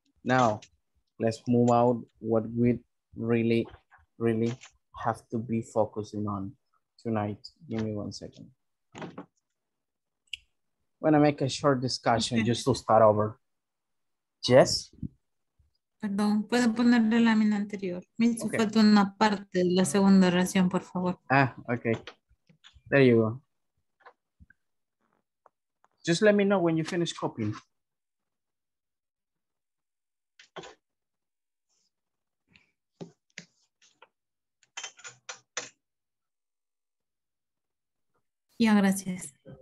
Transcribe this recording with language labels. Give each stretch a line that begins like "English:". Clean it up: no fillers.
English: Now, let's move out what we really, really have to be focusing on tonight. Give me 1 second. I'm gonna make a short discussion just to start over. Jess?
Spanish: Perdón, ¿puedo poner la lámina anterior? Me hizo falta una parte de la segunda oración, por favor.
English: Ah, okay. There you go. Just let me know when you finish copying.
Spanish: Ya,
English: yeah,
Spanish: gracias.